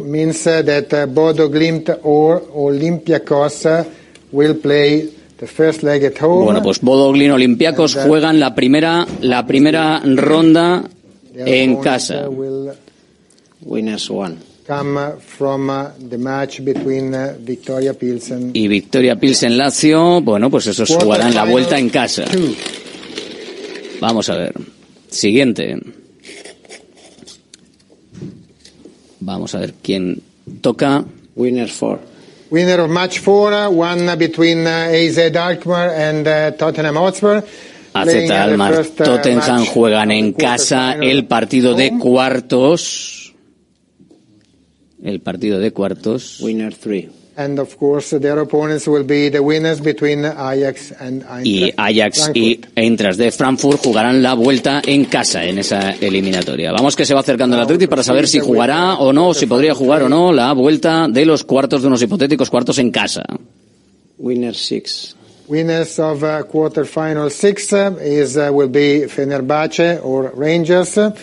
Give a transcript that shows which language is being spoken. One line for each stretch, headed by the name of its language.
English: means that Bodø/Glimt or Olympiacos will play the first leg at home.
Spanish: Bueno, pues Bodø/Glimt Olympiacos juegan la primera ronda en casa.
English: Winners one. Come from the match between Victoria Pilsen
Spanish: y Victoria Pilsen Lazio. Bueno, pues esos jugarán la vuelta en casa. Vamos a ver. Siguiente. Vamos a ver quién toca.
English: Winner four. Winner of match four, one between AZ Alkmaar and Tottenham Hotspur.
Spanish: AZ Alkmaar Tottenham juegan en casa el partido de cuartos. El partido de cuartos.
English: Winner three. And of course their opponents will be the winners between Ajax and Eintracht.
Spanish: Y Ajax y Eintracht de Frankfurt jugarán la vuelta en casa en esa eliminatoria. Vamos, que se va acercando el Athletic para saber si jugará o no, si podría jugar o no la vuelta de los cuartos, de unos hipotéticos cuartos en casa.
English: Winner six. Winners of quarter final six is will be Fenerbahce or Rangers.